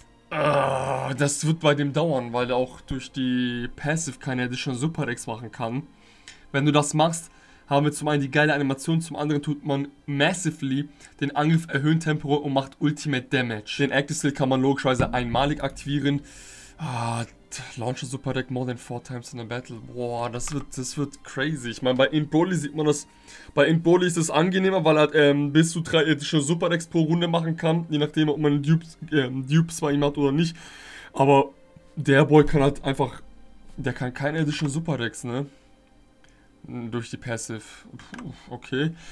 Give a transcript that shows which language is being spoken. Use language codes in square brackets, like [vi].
[de] Das wird bei dem dauern, weil er auch durch die Passive keine Additional Super Attacks machen kann. Wenn du das machst, haben wir zum einen die geile Animation, zum anderen tut man massively den Angriff erhöhen temporär und macht Ultimate Damage. Den Active Skill kann man logischerweise einmalig aktivieren. [en] Launch a Super Attack more than 4 times in a battle. [de] Boah, das wird crazy. Ich meine, bei Int Broly sieht man das. Bei Int Broly ist es angenehmer, weil er bis zu 3 Additional Super Attacks pro Runde machen kann. Je nachdem, ob man Dupes bei ihm hat oder nicht. Aber der Boy kann halt einfach. Der kann keine Additional Super Attacks, ne? Durch die Passive. Puh, okay.